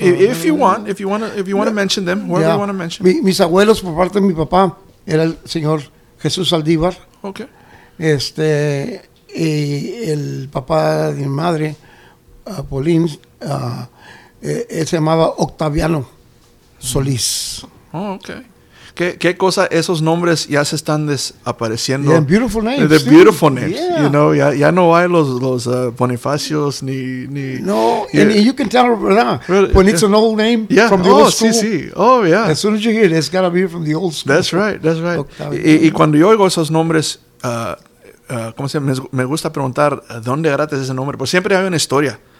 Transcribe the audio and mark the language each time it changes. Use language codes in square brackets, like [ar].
[en] If you want to mention them, whatever you want to mention. [es] Mis abuelos por parte de mi papá era el señor Jesús Saldívar. [en] Okay. [es] Y el papá de mi madre, Pauline, él se llamaba Octaviano Solís. Oh, okay. ¿Qué cosa? Esos nombres ya se están desapareciendo. [en] Yeah, beautiful names. They're beautiful names. Yeah. You know, [es] ya no hay los Bonifacios ni... [en] No, yeah. And you can tell right now, when it's an old name from the old school. Oh, sí. Oh, yeah. As soon as you hear it, it's got to be from the old school. That's right, that's right. [es] Y cuando yo oigo esos nombres, ¿cómo se llama? Me gusta preguntar, ¿dónde gratis ese nombre? Pues siempre hay una historia.